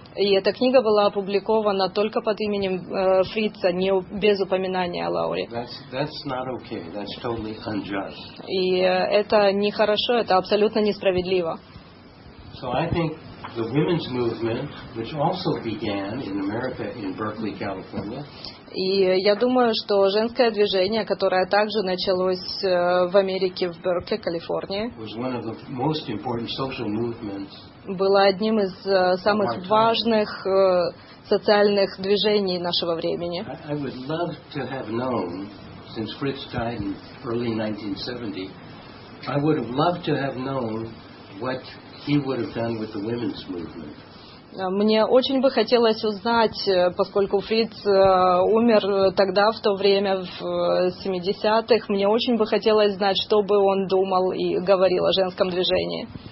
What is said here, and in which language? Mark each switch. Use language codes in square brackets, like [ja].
[ru] И эта книга была опубликована только под именем Фрица, не без упоминания о Лауре. [en] That's not okay. That's totally unjust. [ru] И это нехорошо, это абсолютно несправедливо. [en] So I think the women's movement, which also began in America in Berkeley, California. [ru] И я думаю, что женское движение, которое также началось в Америке, в Беркли, Калифорнии, [en] was one of the most important social movements. [ru] Было одним из самых важных социальных движений нашего времени. [en] I would love to have known, since Fritz died in early 1970, I would have loved to have known what he would have done with the women's movement. [ru] Мне очень бы хотелось узнать, поскольку Фриц умер тогда, в то время, в 70-х, мне очень бы хотелось знать, что бы он думал и говорил о женском движении.